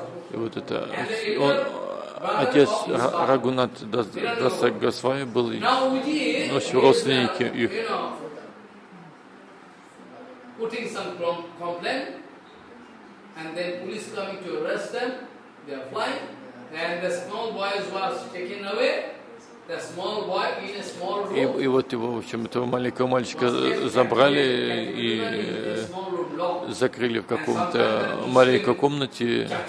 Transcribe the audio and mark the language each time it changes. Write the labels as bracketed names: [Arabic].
[Russian] И вот это он, отец Рагунат Даса Госвами был, но все родственники их. [English] Putting some complaint, and then police coming to arrest them. They are flying, and the small boy was taken away. The small boy in a small room. [Russian] И вот его, в общем, этого маленького мальчика забрали и закрыли в каком-то маленькой комнате.